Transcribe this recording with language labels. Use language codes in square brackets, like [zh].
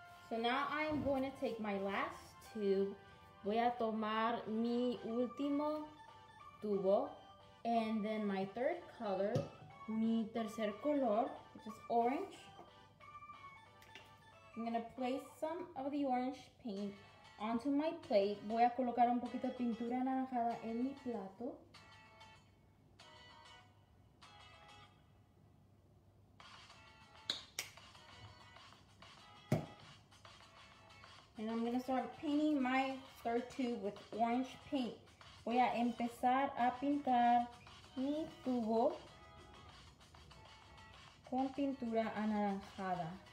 [en] So now I'm going to take my last tube. [es] Voy a tomar mi último tubo. [en] And then my third color, [es] mi tercer color, [en] which is orange. I'm gonna place some of the orange paint onto my plate. [es] Voy a colocar un poquito de pintura anaranjada en mi plato. [en] And I'm gonna start painting my third tube with orange paint. [es] Voy a empezar a pintar mi tubo con pintura anaranjada.